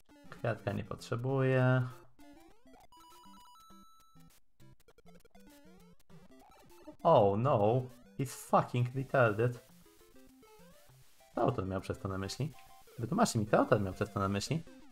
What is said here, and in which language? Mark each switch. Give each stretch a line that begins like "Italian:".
Polish: Kwiatka nie potrzebuje.
English: Oh no, he's fucking retarded.
Polish: Autor miał przez to na myśli? Wytłumaczcie mi, co autor miał przez to na myśli?